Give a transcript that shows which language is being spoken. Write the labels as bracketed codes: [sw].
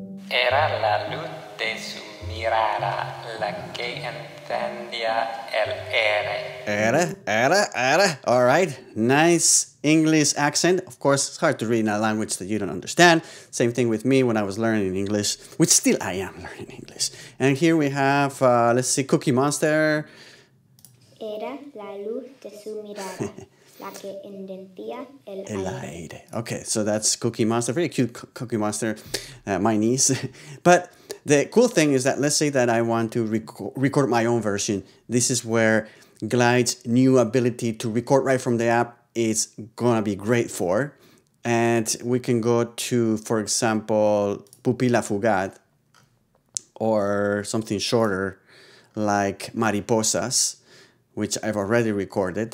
[es] Era la luz de su mirada, la que encendía el aire. [en] Era. All right. Nice English accent. Of course, it's hard to read in a language that you don't understand. Same thing with me when I was learning English, which still I am learning English. And here we have, let's see, Cookie Monster. [es] Era la luz de su mirada, la que encendía el aire. [en] Okay, so that's Cookie Monster. Very cute Cookie Monster, my niece. But the cool thing is that, let's say that I want to record my own version. This is where Glide's new ability to record right from the app is gonna be great for. And we can go to, for example, Pupila Fugaz, or something shorter like Mariposas, which I've already recorded.